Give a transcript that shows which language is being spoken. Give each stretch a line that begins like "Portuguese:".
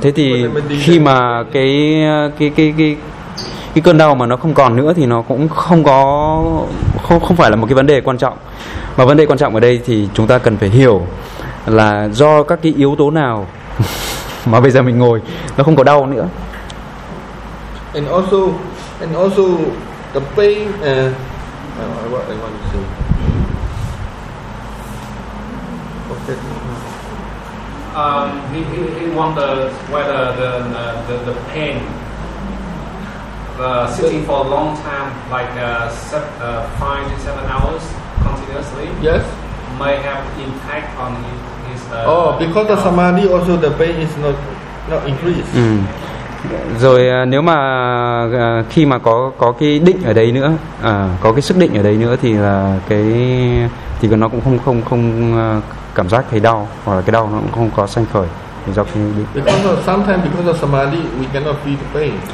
Vietnamese: Thế thì khi mà cái cơn đau mà nó không còn nữa thì nó cũng không phải là một cái vấn đề quan trọng. Mà vấn đề quan trọng ở đây thì chúng ta cần phải hiểu là do các cái yếu tố nào mà bây giờ mình ngồi nó không có đau nữa.
English: And also the pain what I want to say. He wonders whether the pain, sitting for a long time, like 5 to 7 hours continuously, yes, may have impact on his. Because of samadhi, also the pain is not increased. Mm.
Vietnamese: Rồi nếu mà khi mà có cái định ở đấy nữa, có cái sức định ở đấy nữa thì là thì nó cũng không cảm giác thấy đau, hoặc là cái đau nó cũng không có sanh khởi thì do cái định.
English: Because of samadhi we cannot feel the pain.